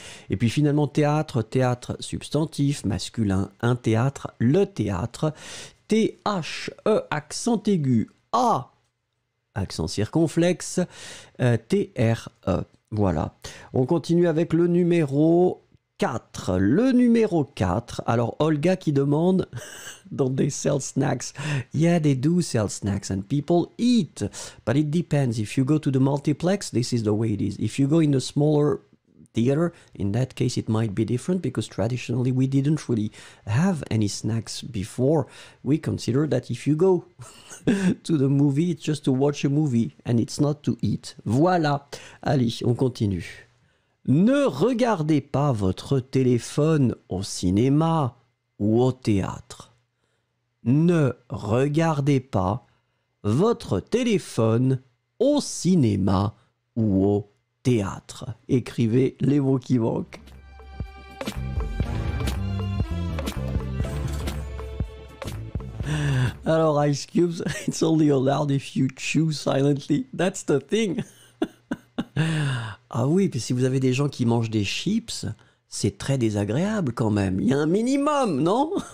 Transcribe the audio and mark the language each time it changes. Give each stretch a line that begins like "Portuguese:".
French: Et puis finalement, théâtre, théâtre, substantif, masculin, un théâtre, le théâtre. T-H-E, accent aigu, A, accent circonflexe, T-R-E. Voilà, on continue avec le numéro 4. Le numéro 4. Alors, Olga qui demande,
English: don't they sell snacks? Yeah, they do sell snacks and people eat. But it depends. If you go to the multiplex, this is the way it is. If you go in the smaller theater, in that case, it might be different because traditionally we didn't really have any snacks before. We consider that if you go to the movie, it's just to watch a movie and it's not to eat.
French: Voilà. Allez, on continue. Ne regardez pas votre téléphone au cinéma ou au théâtre. Ne regardez pas votre téléphone au cinéma ou au théâtre. Écrivez les mots qui manquent.
English: Alors, Ice Cubes, it's only allowed if you chew silently. That's the thing.
French: Ah oui, puis si vous avez des gens qui mangent des chips, c'est très désagréable quand même. Il y a un minimum, non?